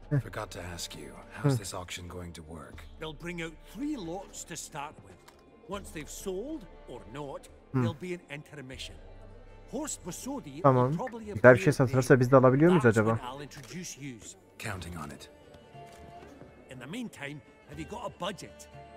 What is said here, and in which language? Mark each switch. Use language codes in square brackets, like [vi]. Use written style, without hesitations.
[en] Forgot to ask you, how's this auction going to work? They'll bring out three lots to start with. Once they've sold or not, there'll be an intermission. Horst Vasodi will probably appear. [tr] Güzel bir şey satırsa biz de alabiliyor muyuz acaba? [en] Counting on it. In the meantime, have you got a budget?